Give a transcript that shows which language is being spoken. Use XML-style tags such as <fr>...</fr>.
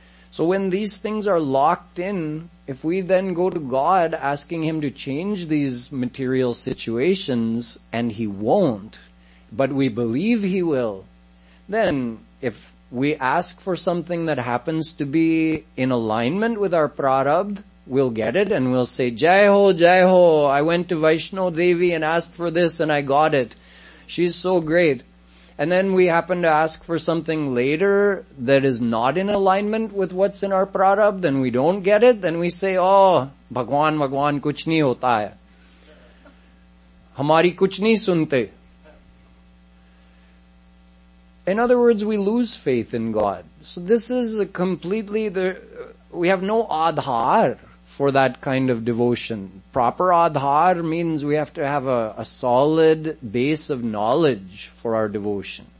<en>So when these things are locked in, if we then go to God asking him to change these material situations, and he won't, but we believe he will, then if we ask for something that happens to be in alignment with our prarabdha, we'll get it and we'll say, Jai ho, jai ho, I went to Vaishno Devi and asked for this and I got it. She's so great. And then we happen to ask for something later that is not in alignment with what's in our prarabdha, then we don't get it. Then we say, oh,</en> <hi>भगवान, भगवान, कुछ नहीं होता है. हमारी कुछ नहीं सुनते.</hi> <en>In other words, we lose faith in God. So this is a completely, we have no adhar for that kind of devotion. Proper adhar means we have to have a solid base of knowledge for our devotion.</en>